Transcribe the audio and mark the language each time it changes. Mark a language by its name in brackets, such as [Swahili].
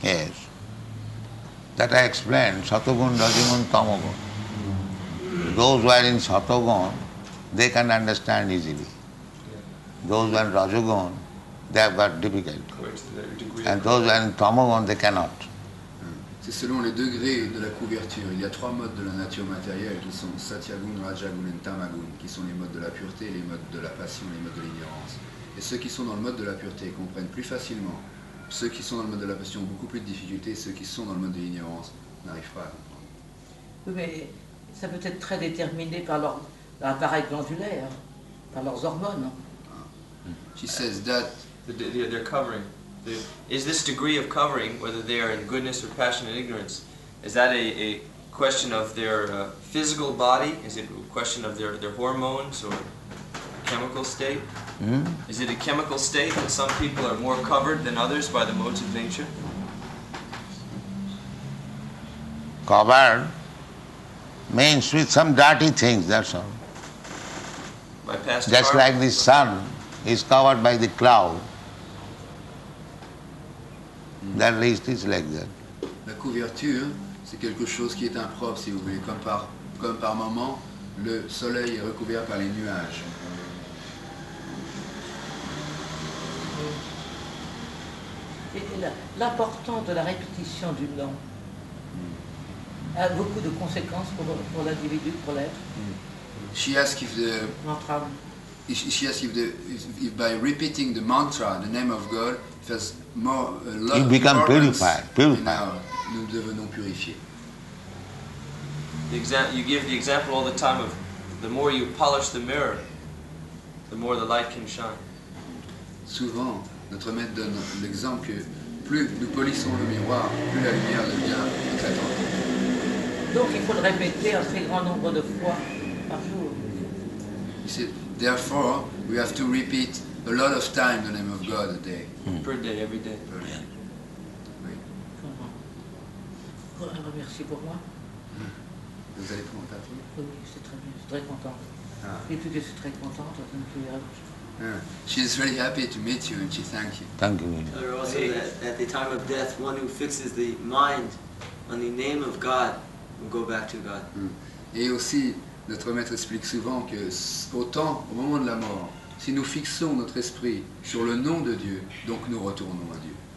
[English] Yes. That I explained, satogun, rajogun, tamogun. Those who are in satogun, they can understand easily. Those who are in rajogun, they have got difficulty. And those who are in tamogun, they cannot. [French] C'est selon les degrés de la couverture. Il y a trois modes de la nature matérielle qui sont satyagun, rajagun et tamagun, qui sont les modes de la pureté, les modes de la passion, les modes de l'ignorance. Et ceux qui sont dans le mode de la pureté comprennent plus facilement. Ceux qui sont dans le mode de la passion ont beaucoup plus de difficultés, ceux qui sont dans le mode de l'ignorance n'arrivent pas à comprendre. Oui, mais ça peut être très déterminé par leur appareil glandulaire, par leurs hormones. [English] She says that... They're covering. Is this degree of covering, whether they are in goodness or passion and ignorance, is that a question of their physical body? Is it a question of their hormones or chemical state? Mm-hmm. Is it a chemical state that some people are more covered than others by the modes of nature? Covered means with some dirty things, that's all. By past just carbon. Like the sun is covered by the cloud. That least is like that. [French] La couverture, c'est quelque chose qui est impropre, si vous voulez. Comme par moment, le soleil est recouvert par les nuages. Et l'importance de la répétition du nom a beaucoup de conséquences pour l'individu, pour l'être. [English] She asks if the mantra. She asks if by repeating the mantra, the name of God, it has more love. You become purified. [French] Nous devenons purifiés. [English] You give the example all the time of the more you polish the mirror, the more the light can shine. [French] Souvent. Notre maître donne l'exemple que plus nous polissons le miroir, plus la lumière devient éclatante. Donc il faut le répéter un très grand nombre de fois par jour. [English] Said, therefore, we have to repeat a lot of times the name of God a day. Mm. Per day, every day. Per day. [French] Oui. Comment? Alors, merci pour moi. Vous allez prendre un oui, c'est très bien, je suis très contente. Ah. Et puis que je suis très contente, je me souviens. [English] She's really happy to meet you and she thank you. Thank you. Or also that at the time of death, one who fixes the mind on the name of God will go back to God. Mm. [French] Et aussi, notre maître explique souvent que autant au moment de la mort, si nous fixons notre esprit sur le nom de Dieu, donc nous retournons à Dieu.